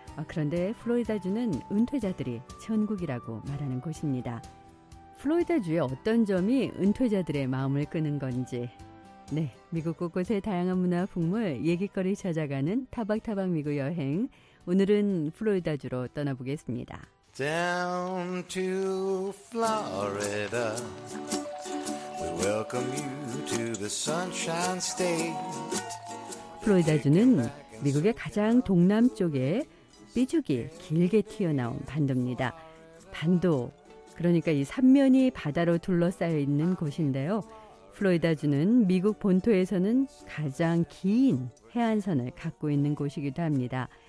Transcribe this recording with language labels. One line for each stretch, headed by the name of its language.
Korean: 그런데 플로리다주는 은퇴자들이 천국이라고 말하는 곳입니다. 플로리다주의 어떤 점이 은퇴자들의 마음을 끄는 건지. 네, 미국 곳곳의 다양한 문화 풍물, 얘기거리 찾아가는 타박타박 미국 여행. 오늘은 플로리다주로 떠나보겠습니다.
English: Down to Florida, we welcome you to the Sunshine State.
Korean: 플로리다주는 미국의 가장 동남쪽에 삐죽이 길게 튀어나온 반도입니다. 반도, 그러니까 이 삼면이 바다로 둘러싸여 있는 곳인데요. 플로리다주는 미국 본토에서는 가장 긴 해안선을 갖고 있는 곳이기도 합니다.